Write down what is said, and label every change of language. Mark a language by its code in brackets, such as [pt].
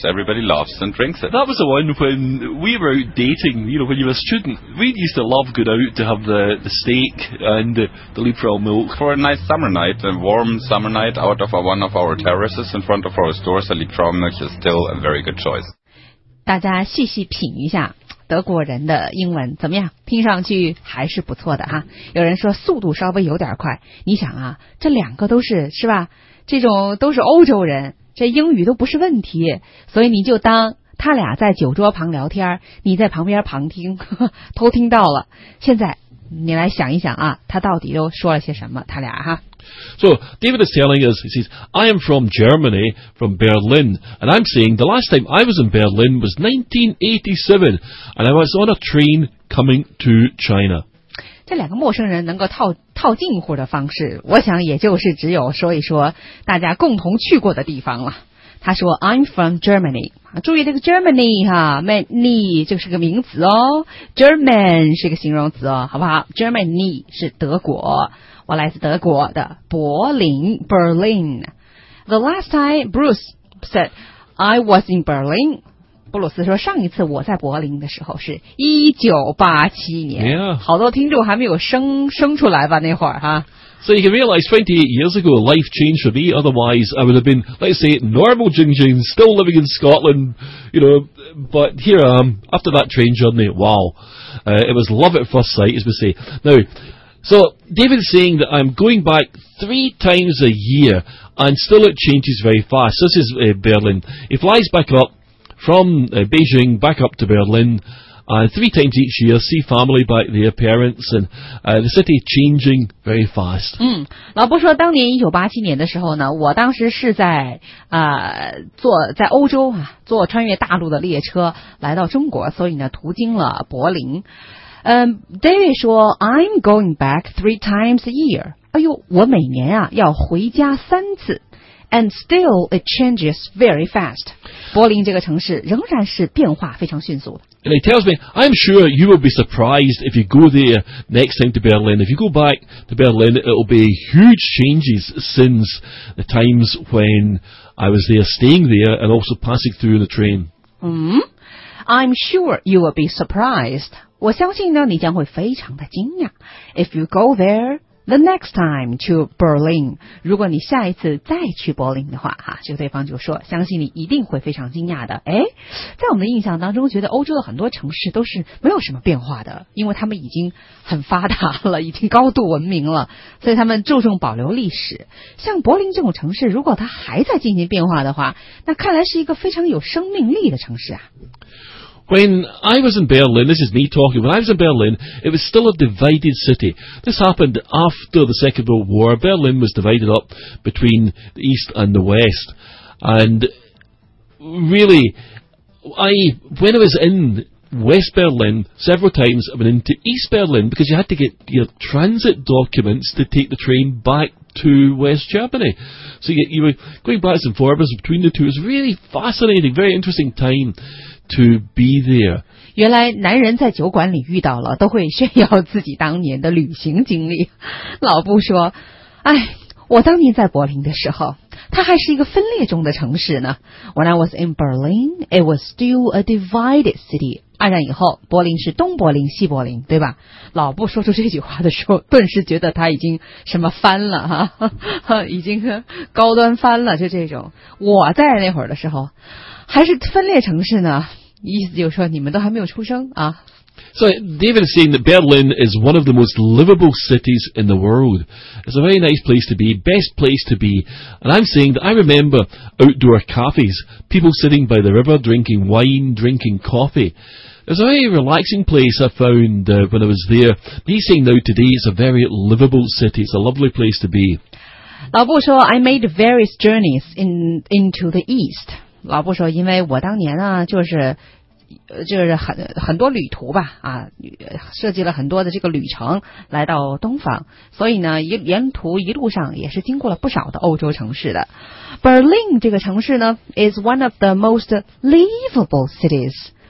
[en] Everybody loves and drinks it. That was the one when we were out dating, you know, when you were a student. We used to love going out to have the steak and the Liebfrau Milch. For a nice summer night, a warm summer night, out of one of our terraces in front of our stores, the Liebfrau Milch is still a very good choice. [zh] 大家细细品一下德国人的英文怎么样，听上去还是不错的哈。有人说速度稍微有点快，你想啊，这两个都是，是吧，这种都是欧洲人，这英语都不是问题，所以你就当他俩在酒桌旁聊天，你在旁边旁听，呵呵，偷听到了。现在你来想一想啊，他到底都说了些什么，他俩哈。 [en] So, David is telling us, he says, I am from Germany, from Berlin, and I'm saying the last time I was in Berlin was 1987, and I was on a train coming to China. [zh] 这两个陌生人能够套近乎的方式，我想也就是只有说一说大家共同去过的地方了。他说 [en] I'm from Germany, [zh] 注意这个 Germany 哈 ,many 就是个名词哦， German 是个形容词哦，好不好？ Germany 是德国，我来自德国的柏林， Berlin. [en] The last time Bruce said I was in Berlin, [zh] 布鲁斯说上一次我在柏林的时候是1987年、 [en] yeah. [zh] 好多听众还没有生出来吧那会儿哈。 [en] So you can realize 28 years ago, life changed for me. Otherwise, I would have been, let's say, normal Jingjing, still living in Scotland, you know. But here I am, after that train journey, wow. It was love at first sight, as we say. Now, so David's saying that I'm going back 3 times a year, and still it changes very fast. This is Berlin. He flies back up from Beijing, back up to Berlin, 3 times each year, see family back there, parents, and the city changing very fast. [zh] 嗯，老伯说，当年1987年的时候呢，我当时是在坐在欧洲啊，坐穿越大陆的列车来到中国，所以呢，途经了柏林。 [en] David 说 ，I'm going back 3 times a year. [zh] 哎呦，我每年啊要回家三次。 [en] And still, it changes very fast. [zh] 柏林这个城市仍然是变化非常迅速的。 [en] And he tells me, I'm sure you will be surprised if you go there next time to Berlin. If you go back to Berlin, it will be huge changes since the times when I was there, staying there, and also passing through the train. I'm sure you will be surprised. [zh] 我相信呢，你将会非常的惊讶。 [en] If you go there the next time to Berlin. [zh] 如果你下一次再去柏林的话，哈，这个对方就说，相信你一定会非常惊讶的。哎，在我们的印象当中，觉得欧洲的很多城市都是没有什么变化的，因为他们已经很发达了，已经高度文明了，所以他们注重保留历史。像柏林这种城市，如果它还在进行变化的话，那看来是一个非常有生命力的城市啊。 [en] When I was in Berlin, this is me talking, when I was in Berlin, it was still a divided city. This happened after the Second World War. Berlin was divided up between the East and the West. And really, when I was in West Berlin several times, I went into East Berlin because you had to get your transit documents to take the train back to West Germany. So you were going back and forth between the two. It was really fascinating, very interesting time. To be there. [zh] 原来男人在酒馆里遇到了，都会炫耀自己当年的旅行经历。老布说，哎，我当年在柏林的时候，它还是一个分裂中的城市呢。 [en] When I was in Berlin, it was still a divided city. [zh] 二战以后，柏林是东柏林、西柏林，对吧？老布说出这句话的时候，顿时觉得他已经什么翻了哈、啊，已经高端翻了，就这种。我在那会儿的时候。还是分裂城市呢？意思就是说你们都还没有出生啊。 [en] So David is saying that Berlin is one of the most livable cities in the world. It's a very nice place to be, best place to be. And I'm saying that I remember outdoor cafes, people sitting by the river drinking wine, drinking coffee. It's a very relaxing place I found when I was there. He's saying now today it's a very livable city, it's a lovely place to be. 老布说 I made various journeys into the east. [zh] 老布说因为我当年啊就是很多旅途吧啊设计了很多的这个旅程来到东方所以呢沿途一路上也是经过了不少的欧洲城市的。 [en] Berlin [zh] 这个城市呢 [en] is one of the most livable cities.